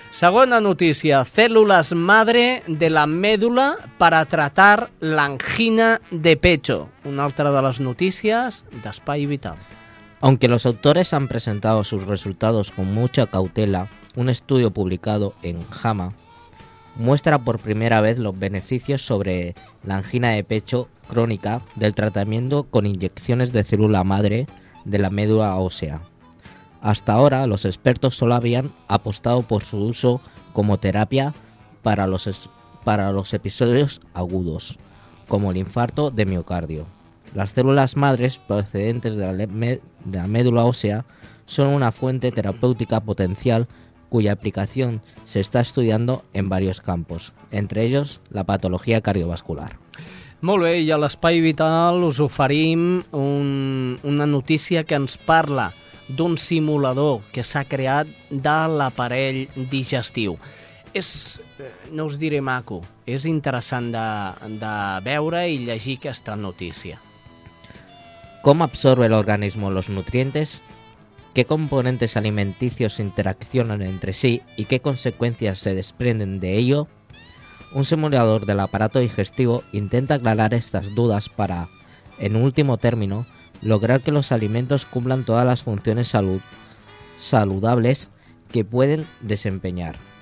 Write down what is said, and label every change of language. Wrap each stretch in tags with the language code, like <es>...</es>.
<ca>Segona notícia, cèl·lules madre de la mèdula</ca> <es>para tratar l'angina de pecho.</es> <ca>Una altra de les notícies d'Espai Vital.</ca> <es>Aunque los autores han presentado sus resultados con mucha cautela, un estudio publicado en JAMA muestra por primera vez los beneficios sobre la angina de pecho crónica del tratamiento con inyecciones de célula madre de la médula ósea. Hasta ahora, los expertos solo habían apostado por su uso como terapia para los episodios agudos, como el infarto de miocardio. Las células madres procedentes de la médula ósea son una fuente terapéutica potencial cuya aplicación se está estudiando en varios campos, entre ellos la patología cardiovascular.</es> <ca>Molt bé, i a l'Espai Vital us oferim una notícia que ens parla d'un simulador que s'ha creat de l'aparell digestiu. És, no us diré maco, és interessant de veure i llegir aquesta notícia.</ca> <es>¿Cómo absorbe el organismo los nutrientes? ¿Qué componentes alimenticios interaccionan entre sí y qué consecuencias se desprenden de ello? Un simulador del aparato digestivo intenta aclarar estas dudas para, en último término, lograr que los alimentos cumplan todas las funciones saludables que pueden desempeñar.</es>